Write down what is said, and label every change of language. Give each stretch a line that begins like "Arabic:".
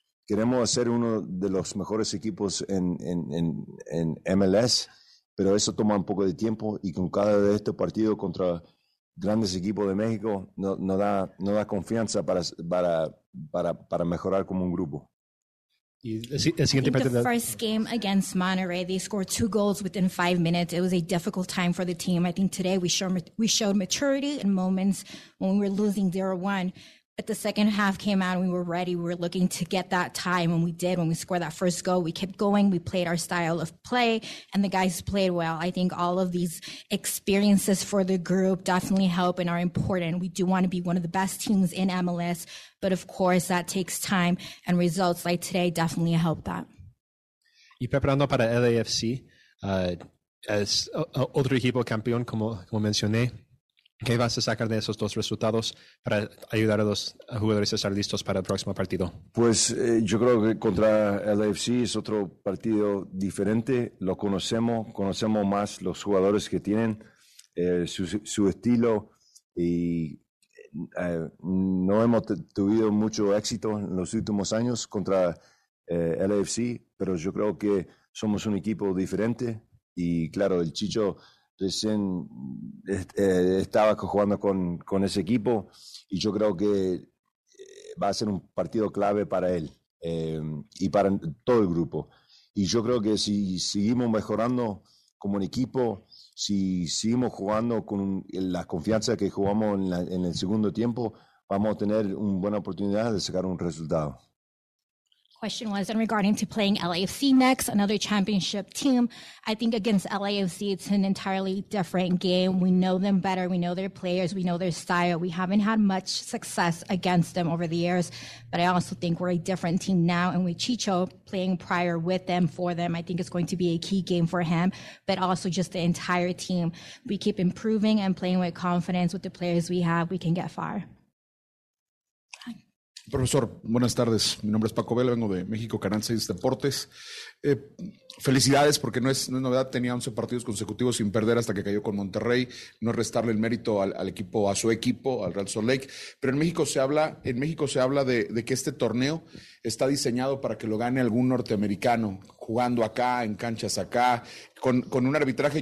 Spanish: Queremos ser uno de los mejores equipos en MLS, pero eso toma un poco de tiempo, y con cada de estos partidos contra grandes equipos de México no da confianza para mejorar como un grupo. Y el siguiente
English: partido, the first game against Monterrey, they scored two goals within 5 minutes. It was a difficult time for the team. I think today we showed maturity in moments when we were losing 0-1, but the second half came out and we were ready. We were looking to get that tie, and we did. When we scored that first goal, we kept going. We played our style of play, and the guys played well. I think all of these experiences for the group definitely help and are important. We do want to be one of the best teams in MLS, but of course that takes time, and results like today definitely help that.
Spanish: Y preparando para LAFC, es otro equipo campeón, como mencioné. ¿Qué vas a sacar de esos dos resultados para ayudar a los jugadores a estar listos para el próximo partido? Pues yo creo que contra el LAFC es otro partido diferente. Lo conocemos más los jugadores que tienen, su estilo, y no hemos tenido mucho éxito en los últimos años contra el LAFC, pero yo creo que somos un equipo diferente, y claro, el Chicho recién estaba jugando con ese equipo, y yo creo que va a ser un partido clave para él y para todo el grupo. Y yo creo que si seguimos mejorando como un equipo, si seguimos jugando con la confianza que jugamos en el segundo tiempo, vamos a tener una buena oportunidad de sacar un resultado.
English: Question was, and regarding to playing LAFC next, another championship team, I think against LAFC, it's an entirely different game. We know them better. We know their players. We know their style. We haven't had much success against them over the years, but I also think we're a different team now. And with Chicho playing prior with them, for them, I think it's going to be a key game for him, but also just the entire team. We keep improving and playing with confidence with the players we have. We can get far.
Spanish: Profesor, buenas tardes. Mi nombre es Paco Vela, vengo de México, Canal 6 Deportes. Felicidades, porque no es novedad. Tenía 11 partidos consecutivos sin perder hasta que cayó con Monterrey. No es restarle el mérito al equipo, a su equipo, al Real Salt Lake. Pero en México se habla de que este torneo está diseñado para que lo gane algún norteamericano, jugando acá, en canchas acá, con un arbitraje.